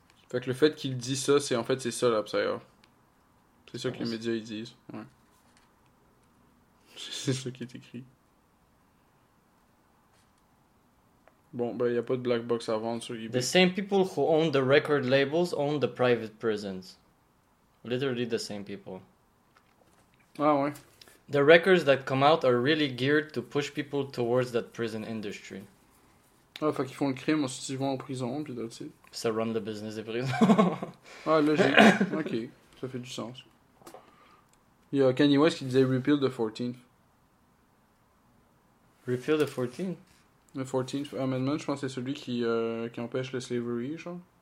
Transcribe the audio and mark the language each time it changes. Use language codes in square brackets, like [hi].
[fr] Fait que le fait qu'il dit ça, c'est en fait, c'est ça, là, psyop. C'est ça que les médias, ils disent, ouais. C'est ça qui est écrit. Bon, ben, y'a pas de black box à vendre sur eBay. [en] The same people who own the record labels own the private prisons. Literally the same people. [fr] Ah ouais. [en] The records that come out are really geared to push people towards that prison industry. [fr] Ah, fait qu'ils font le crime, ensuite ils vont en prison, pis là, tu sais. Ça [en] run the business [fr] des prisons. Ah, logique. Ok, ça fait du sens. Y'a Kanye West qui disait [en] repeal the 14th. Repeal the 14th? [fr] Le 14th Amendment, je pense que c'est celui qui empêche le slavery, genre.